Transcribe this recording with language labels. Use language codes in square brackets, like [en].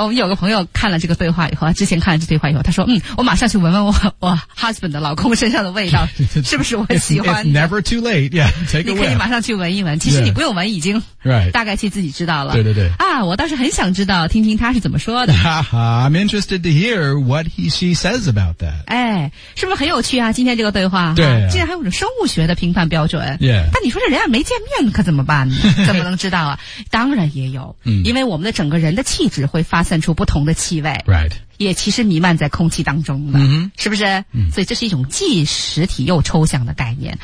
[zh] 我们有个朋友看了这个对话以后，之前看了这对话以后，他说：“我马上去闻闻我 husband 的老公身上的味道，是不是我喜欢 [en] it's ？”Never too late. Yeah, take a whiff. [zh] 你可以马上去闻一闻。其实你不用闻，已经大概其自己知道了。对对对。啊，我倒是很想知道，听听他是怎么说的。 [en] I'm interested to hear what she says about that. [zh] 哎，是不是很有趣啊？今天这个对话，对、啊，竟然还有种生物学的评判标准。 [en] Yeah. [zh] 但你说这人家没见面，可怎么办呢？怎么能知道啊？当然也有，因为我们的整个人的气质。会发散出不同的气味、 [en] right. [zh] 也其实弥漫在空气当中的、 mm-hmm. 是不是、 mm-hmm. 所以这是一种既实体又抽象的概念、